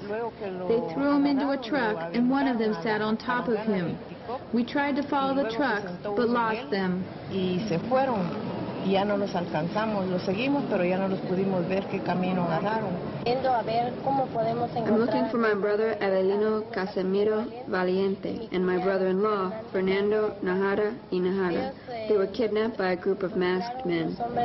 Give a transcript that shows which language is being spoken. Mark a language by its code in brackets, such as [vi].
[en] They threw him into a truck and one of them sat on top of him. We tried to follow the trucks, but lost them. [es] Y se fueron. Ya no los alcanzamos, los seguimos, pero ya no los pudimos ver qué camino agarraron. [en] I'm looking for my brother Avelino Casemiro Valiente and my brother-in-law Fernando Najara y Najara. They were kidnapped by a group of masked men.